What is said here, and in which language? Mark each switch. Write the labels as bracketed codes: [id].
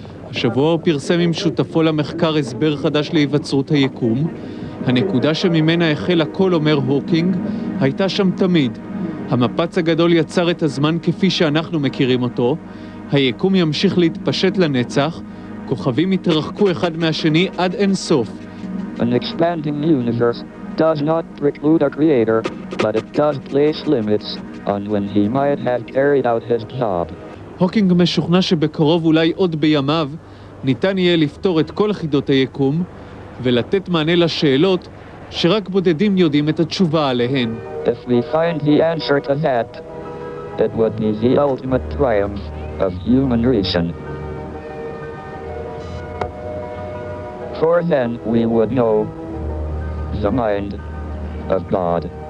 [he] השבוע הוא פרסם עם שותפו למחקר הסבר חדש להיווצרות היקום. הנקודה שממנה החל הכל, אומר הוקינג, הייתה שם תמיד. המפץ הגדול יצר את הזמן כפי שאנחנו מכירים אותו. היקום ימשיך להתפשט לנצח. כוכבים יתרחקו אחד מהשני עד אין סוף. [en] An expanding universe does not preclude a creator, but it does place limits on when he might have carried out his job. [he] הוקינג משוכנע שבקרוב, אולי עוד בימיו, ניתן יהיה לפתור את כל חידות היקום ולתת מענה לשאלות שרק בודדים יודעים את התשובה עליהן. [en] If we find the answer to that, it would be the ultimate triumph of human reason. For then we would know the mind of God.